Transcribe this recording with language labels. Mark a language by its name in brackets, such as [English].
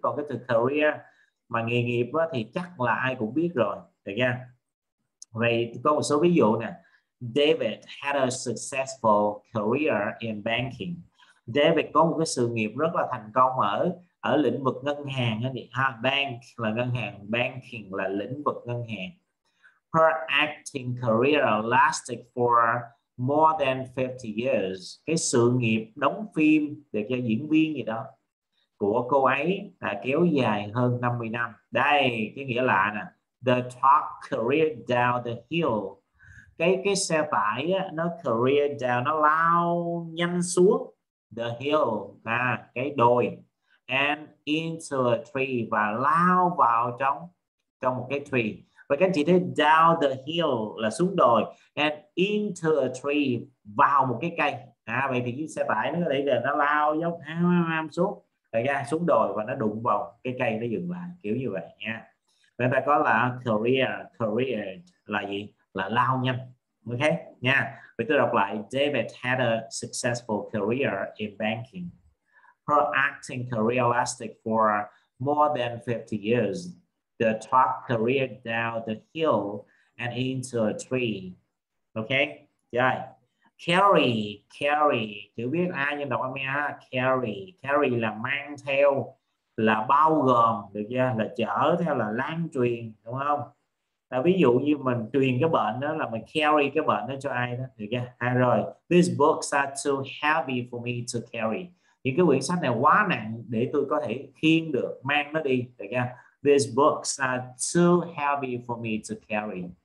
[Vietnamese] Còn cái từ career mà nghề nghiệp đó, thì chắc là ai cũng biết rồi, được nha. Vậy có một số ví dụ nè. [English] David had a successful career in banking. [Vietnamese] David có một cái sự nghiệp rất là thành công ở ở lĩnh vực ngân hàng đó, ha. Bank là ngân hàng, banking là lĩnh vực ngân hàng. [English] Her acting career lasted for more than 50 years. [Vietnamese] Cái sự nghiệp đóng phim để cho diễn viên gì đó của cô ấy là kéo dài hơn 50 năm. Đây, cái nghĩa là nè. [English] The truck careered down the hill. [Vietnamese] Cái xe tải á, nó careered down, nó lao nhanh xuống the hill, à, cái đồi. [English] And into a tree, [Vietnamese] và lao vào trong trong một cái tree. Và các anh chị thấy down the hill là xuống đồi, and into a tree vào một cái cây. À, vậy thì cái xe tải nó đấy là nó lao dốc xuống, rồi ra xuống đồi và nó đụng vào cái cây, nó dừng lại kiểu như vậy nha. Người ta có là career là gì? Là lao nhanh. Ok nha. Vậy tôi đọc lại. [English] David had a successful career in banking. Her acting career lasted for more than 50 years. The truck careered down the hill and into a tree. [Vietnamese] Ok. Rồi. Carry, chữ viết A nhưng đọc âm A. Carry là mang theo, là bao gồm, được chưa? Là chở theo, là lan truyền, đúng không? Là ví dụ như mình truyền cái bệnh đó, là mình carry cái bệnh đó cho ai đó, được chưa? À, rồi. [English] These books are too heavy for me to carry. [Vietnamese] Những cái quyển sách này quá nặng để tôi có thể khiêng được, mang nó đi, được chưa? [English] These books are too heavy for me to carry.